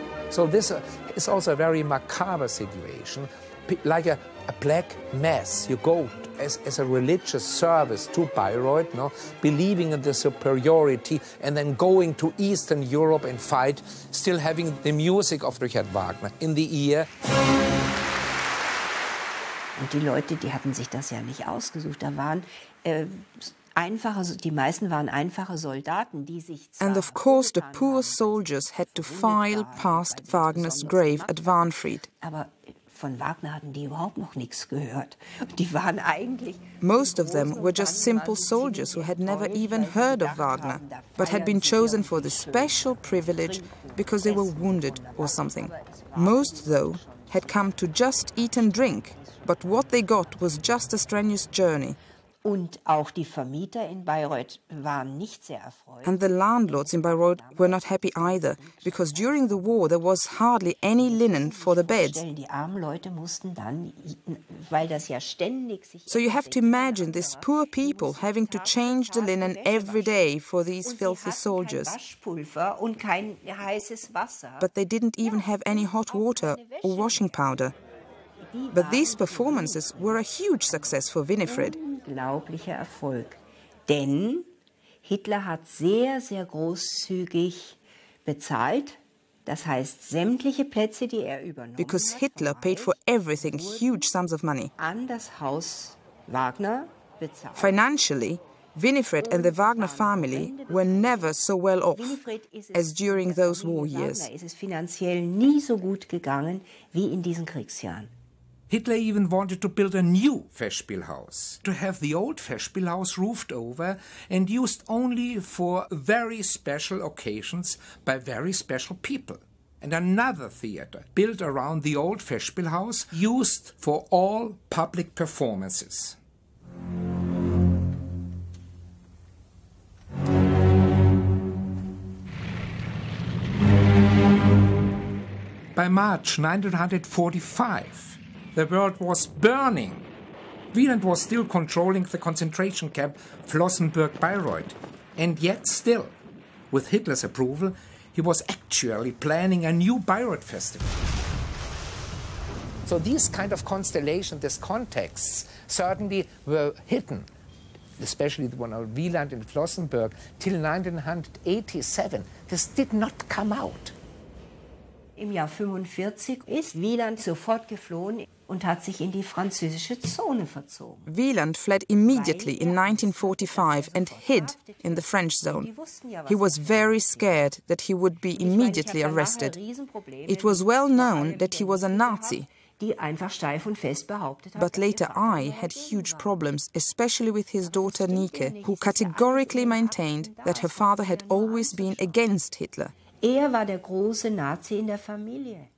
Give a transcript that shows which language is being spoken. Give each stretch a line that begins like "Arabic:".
English: So this is also a very macabre situation, like a black mass. You go as a religious service to Bayreuth, no, believing in the superiority, and then going to Eastern Europe and fight, still having the music of Richard Wagner in the ear.
German: Und die Leute, die hatten sich das ja nicht ausgesucht. Da waren die meisten waren einfache Soldaten, die sich.
English: And of course, the poor soldiers had to file past Wagner's grave at Wahnfried.
German: Aber von Wagner hatten die überhaupt noch nichts gehört. Die waren eigentlich.
English: Most of them were just simple soldiers who had never even heard of Wagner, but had been chosen for the special privilege because they were wounded or something. Most, though, had come to just eat and drink, but what they got was just a strenuous journey.
German: Und auch die Vermieter in Bayreuth waren nicht sehr erfreut.
English: And the landlords in Bayreuth were not happy either, because during the war there was hardly any linen for the beds.
German: Die armen Leute mussten dann, weil das ja ständig sich.
English: So you have to imagine these poor people having to change the linen every day for these filthy soldiers.
German: Und sie hatten kein Waschpulver und kein heißes Wasser.
English: But they didn't even have any hot water or washing powder. But these performances were a huge success for Winifred.
German: Unglaublicher Erfolg, denn Hitler hat sehr, sehr großzügig bezahlt. Das heißt, sämtliche Plätze, die er übernommen.
English: Because Hitler paid for everything, huge sums of money.
German: An das Haus Wagner bezahlt.
English: Financially, Winifred and the Wagner family were never so well off as during those war years.
German: Winifred ist es finanziell nie so gut gegangen wie in diesen Kriegsjahren.
English: Hitler even wanted to build a new Festspielhaus, to have the old Festspielhaus roofed over and used only for very special occasions by very special people. And another theater built around the old Festspielhaus used for all public performances. By March 1945, the world was burning. Wieland was still controlling the concentration camp Flossenbürg-Bayreuth. And yet still, with Hitler's approval, he was actually planning a new Bayreuth festival. So these kind of constellations, these contexts, certainly were hidden, especially the one of Wieland in Flossenbürg, till 1987. This did not come out.
German: Im Jahr 45 ist Wieland sofort geflohen und hat sich in die französische Zone verzogen.
English: Wieland fled immediately in 1945 and hid in the French zone. He was very scared that he would be immediately arrested. It was well known that he was a Nazi.
German: Die einfach steif und fest behauptet hat.
English: But later I had huge problems, especially with his daughter Nike, who categorically maintained that her father had always been against Hitler.
German: Er war der große Nazi in der Familie.